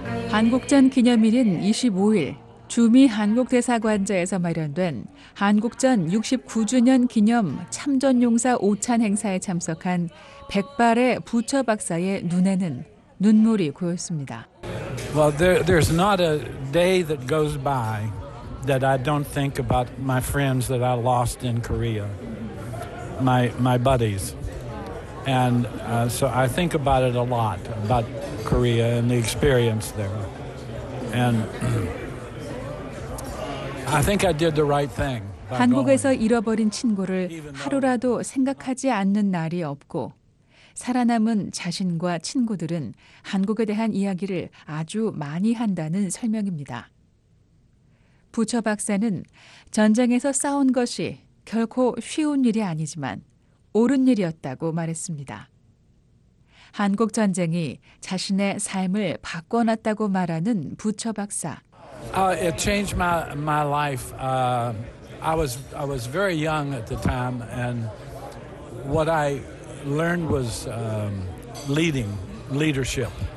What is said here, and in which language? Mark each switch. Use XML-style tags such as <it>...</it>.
<ko>한국전 기념일인 25일 주미 한국대사관자에서 마련된 한국전 69주년 기념 참전용사 오찬 행사에 참석한 백발의 부처 박사의 눈에는 눈물이 고였습니다.</ko> <en>Well, there's not a day that goes by that I don't think about my friends that I lost in Korea, my buddies. And so I think about it a lot, about Korea and the experience there. And I think I did the right thing.</en> <ko>한국에서 잃어버린 친구를 하루라도 생각하지 않는 날이 없고 살아남은 자신과 친구들은 한국에 대한 이야기를 아주 많이 한다는 설명입니다. 부처 박사는 전쟁에서 싸운 것이 결코 쉬운 일이 아니지만 옳은 일이었다고 말했습니다. 한국 전쟁이 자신의 삶을 바꿔놨다고 말하는 부처 박사.</ko> <en>It changed my life. I was very young at the time, and what I learned was leadership.</en>